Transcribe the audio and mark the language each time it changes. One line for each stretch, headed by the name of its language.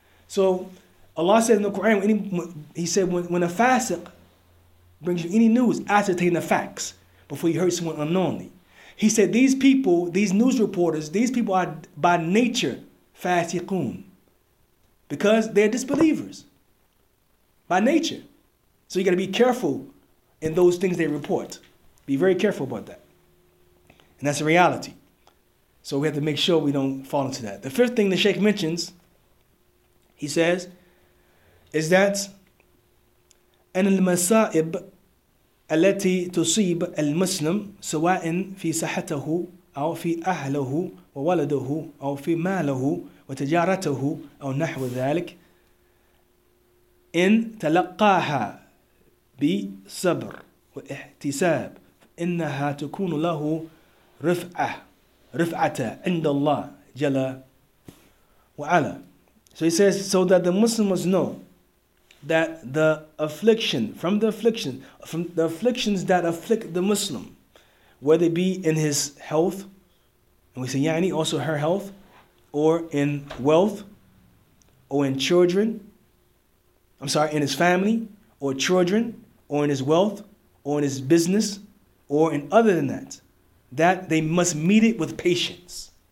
English: So Allah said in the Quran, when a fasiq brings you any news, ascertain the facts before you hurt someone unknowingly. He said, these people, these news reporters, these people are by nature fasiqun because they're disbelievers by nature. So you got to be careful in those things they report. Be very careful about that. And that's a reality. So we have to make sure we don't fall into that. The fifth thing the Sheikh mentions, he says, is that
Arabic: أن المصائب التي تصيب المسلم سواء في صحته أو في أهله وولده أو في ماله وتجارته أو نحو ذلك إن تلقاها بصبر واحتساب إنها تكون له رفعة رفعة عند الله جل وعلا.
English: So he says, so that the Muslims know that the afflictions that afflict the Muslim, whether it be in his health, and we say Yani also her health, or in wealth, or in children, I'm sorry, in his family, or children, or in his wealth, or in his business, or in other than that, that they must meet it with patience.